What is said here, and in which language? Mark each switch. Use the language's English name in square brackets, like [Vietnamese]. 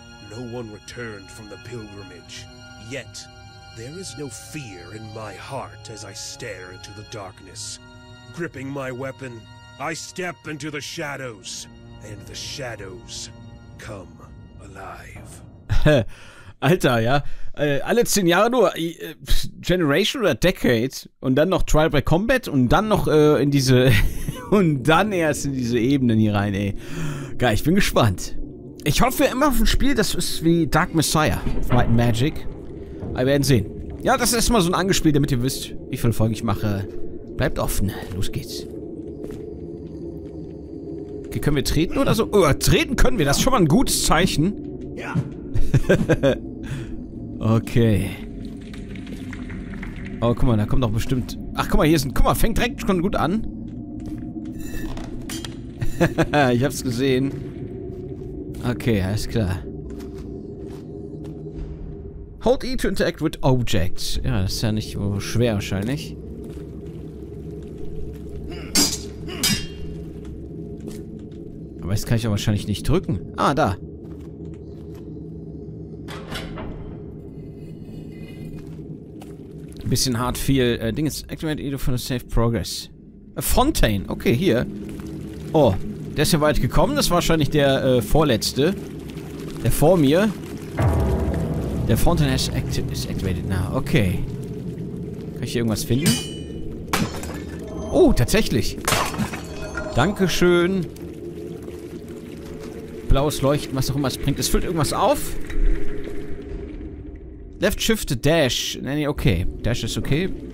[English] No one returned from the pilgrimage. Yet, there is no fear in my heart as I stare into the darkness. Gripping my weapon, I step into the shadows, and the shadows come alive. [German] Alter, ja. Alle 10 Jahre nur Generation oder Decade und dann noch Trial by Combat und dann noch in diese und dann erst in diese Ebenen hier rein, ey. Geil, ich bin gespannt. Ich hoffe immer auf ein Spiel, das ist wie Dark Messiah, Might and Magic. Wir werden sehen. Ja, das ist mal so ein Angespiel, damit ihr wisst, wie viele Folgen ich mache. Bleibt offen, los geht's. Okay, können wir treten oder so? Oh, treten können wir, das ist schon mal ein gutes Zeichen. Ja. Okay. Oh, guck mal, da kommt doch bestimmt... Ach, guck mal, hier ist ein... Guck mal, fängt direkt schon gut an. Ich hab's gesehen. Okay, alles klar. [English] Hold E to interact with objects. [German] Ja, das ist ja nicht so schwer wahrscheinlich. Aber das kann ich auch wahrscheinlich nicht drücken. Ah, da. Bisschen hart viel Ding ist. [English] Activate Edo for the Safe Progress. [German] Fontaine. Okay, hier. Oh, der ist ja weit gekommen. Das war wahrscheinlich der vorletzte. Der vor mir. [English] Der Fontaine is activated now. [German] Okay. Kann ich hier irgendwas finden? Oh, tatsächlich. Dankeschön. Blaues Leuchten, was auch immer es bringt. Es füllt irgendwas auf. [English] Left Shift Dash. [German] Nee, okay. Dash ist okay.